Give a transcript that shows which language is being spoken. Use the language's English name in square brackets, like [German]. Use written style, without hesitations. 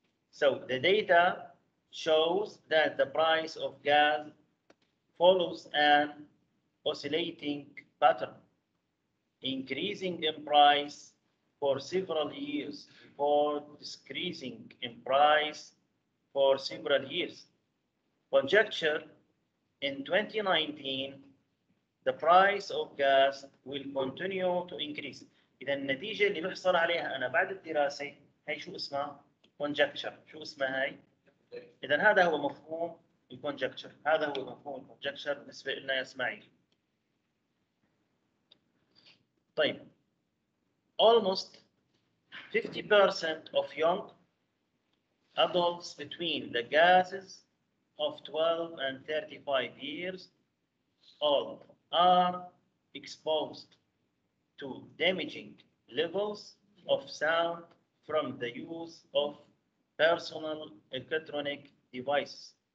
[English] So the data shows that the price of gas follows an oscillating pattern, increasing in price for several years before decreasing in price for several years. Conjecture, in 2019, the price of gas will continue to increase. [Arabic] إذا النتيجة اللي نحصل عليها أنا بعد الدراسة هي شو اسمها؟ Conjecture. شو اسمها هاي؟ إذا هذا هو مفهوم الكونجكتشر. هذا هو مفهوم الكونجكتشر بالنسبة لنا يا إسماعيل. [English] طيب almost 50% of young adults between the gases of 12 and 35 years old are exposed to damaging levels of sound from the use of personal electronic devices.